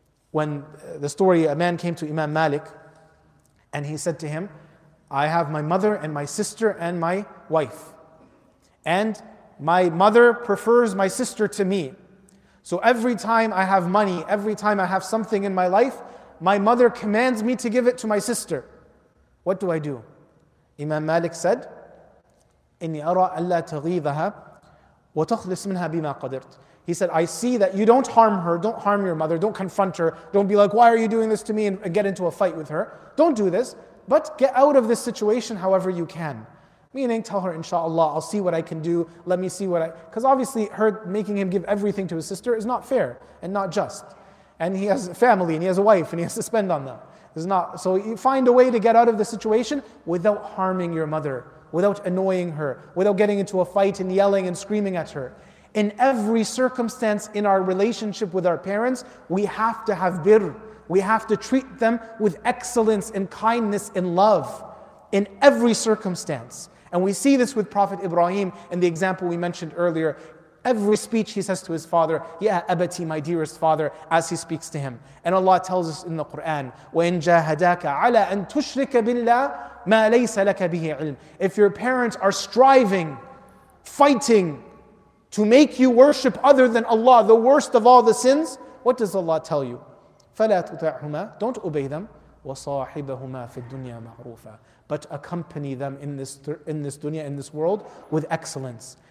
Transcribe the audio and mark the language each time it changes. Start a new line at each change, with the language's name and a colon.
English: When the story, a man came to Imam Malik, and he said to him, I have my mother and my sister and my wife. And my mother prefers my sister to me. So every time I have money, every time I have something in my life, my mother commands me to give it to my sister. What do I do? Imam Malik said,
Arabic: إِنِّي أَرَىٰ أَلَّا تَغِيظَهَا وَتَخْلِصْ مِنْهَا بِمَا قَدِرْتْ.
English: He said, I see that you don't harm her, don't harm your mother, don't confront her, don't be like, why are you doing this to me, and get into a fight with her. Don't do this, but get out of this situation however you can. Meaning, tell her, inshallah, I'll see what I can do, let me see what I... Because obviously, her making him give everything to his sister is not fair and not just. And he has a family, and he has a wife, and he has to spend on them. It's not, so you find a way to get out of the situation without harming your mother, without annoying her, without getting into a fight and yelling and screaming at her. In every circumstance in our relationship with our parents, we have to have birr. We have to treat them with excellence and kindness and love in every circumstance. And we see this with Prophet Ibrahim in the example we mentioned earlier. Every speech he says to his father,
Arabic: Ya Abati,
English: my dearest father, as he speaks to him. And Allah tells us in the Quran,
Arabic: وَإِن جَاهَدَاكَ عَلَىٰ أَن تُشْرِكَ بِاللَّهِ مَا لَيْسَ لَكَ بِهِ عِلْمٍ.
English: If your parents are striving, fighting, to make you worship other than Allah, the worst of all the sins, what does Allah tell you?
Arabic: فَلَا تُطَعْهُمَا.
English: Don't obey them.
Arabic: وَصَاحِبَهُمَا فِي الدُّنْيَا مَعْرُوفًا.
English: but accompany them in this dunya, in this world, with excellence.